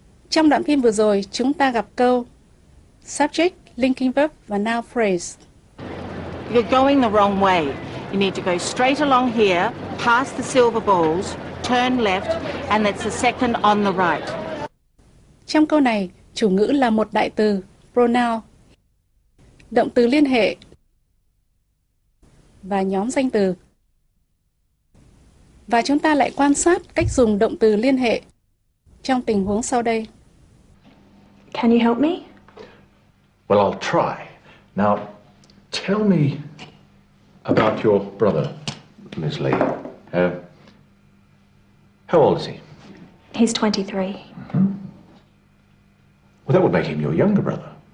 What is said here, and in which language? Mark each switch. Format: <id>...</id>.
<vi>Trong đoạn phim vừa rồi, chúng ta gặp câu</vi> <en>subject, linking verb</en> <vi>và</vi> <en>noun phrase. You're going the wrong way. You need to go straight along here, past the Silver Balls, turn left, and it's the second on the right.</en> <vi>Trong câu này, chủ ngữ là một đại từ, pronoun, động từ liên hệ và nhóm danh từ. Và chúng ta lại quan sát cách dùng động từ liên hệ trong tình huống sau đây.</vi> <en>Can you help me? Well, I'll try. Now, tell me about your brother, Ms. Lee. How old is he? He's 23. Mm-hmm. Well, that would make him your younger brother.</en>